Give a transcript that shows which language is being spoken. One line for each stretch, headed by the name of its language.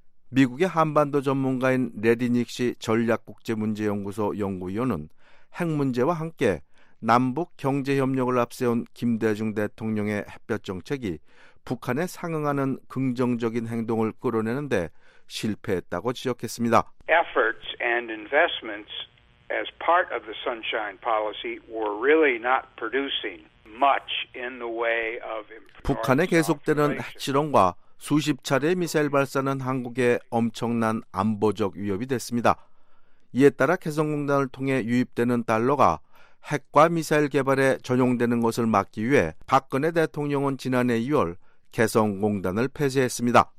Korean: 미국의 한반도 전문가인 레디닉시 전략국제문제연구소 연구위원은 핵 문제와 함께 남북 경제협력을 앞세운 김대중 대통령의 햇볕 정책이 북한에 상응하는 긍정적인 행동을 끌어내는 데 실패했다고 지적했습니다.
English: Efforts and investments as part of the Sunshine Policy were really not producing much in the way of
Korean: 북한의 계속되는 핵실험과 수십 차례 미사일 발사는 한국에 엄청난 안보적 위협이 됐습니다. 이에 따라 개성공단을 통해 유입되는 달러가 핵과 미사일 개발에 전용되는 것을 막기 위해 박근혜 대통령은 지난해 2월 개성공단을 폐쇄했습니다.